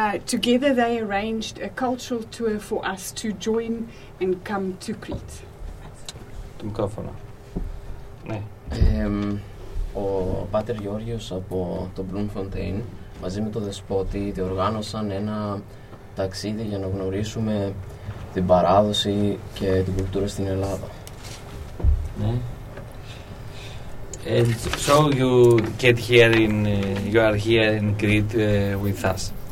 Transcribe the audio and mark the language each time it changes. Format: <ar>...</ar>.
<en>Together they arranged a cultural tour for us to join and come to Crete.</en> <el>Το μικρόφωνο. Ναι. Ο Πάτερ Γιώργιος από το Bloemfontein μαζί με τον Δεσπότη διοργάνωσαν ένα ταξίδι για να γνωρίσουμε την παράδοση και την κουλτούρα στην Ελλάδα. Ναι.</el> <en>And so you get here in, you are here in Crete with us.</en>